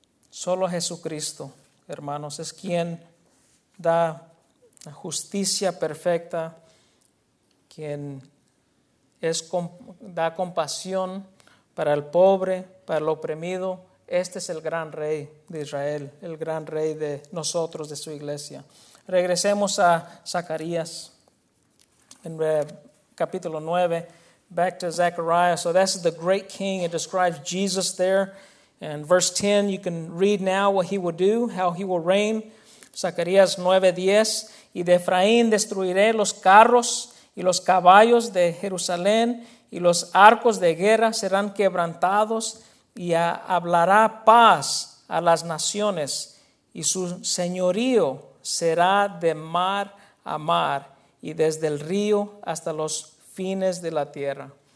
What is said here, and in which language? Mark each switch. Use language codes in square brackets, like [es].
[es] Solo Jesucristo, hermanos, es quien da la justicia perfecta, quien es, da compasión para el pobre, para el oprimido. Este es el gran rey de Israel, el gran rey de nosotros, de su iglesia. Regresemos a Zacarías, en capítulo 9. [en] Back to Zechariah. So that's the great king. It describes Jesus there. And verse 10, you can read now what he will do, how he will reign. [es] Zacarías 9:10. Y de Efraín destruiré los carros y los caballos de Jerusalén, y los arcos de guerra serán quebrantados, y hablará paz a las naciones, y su señorío será de mar a mar, y desde el río hasta los fines de la tierra.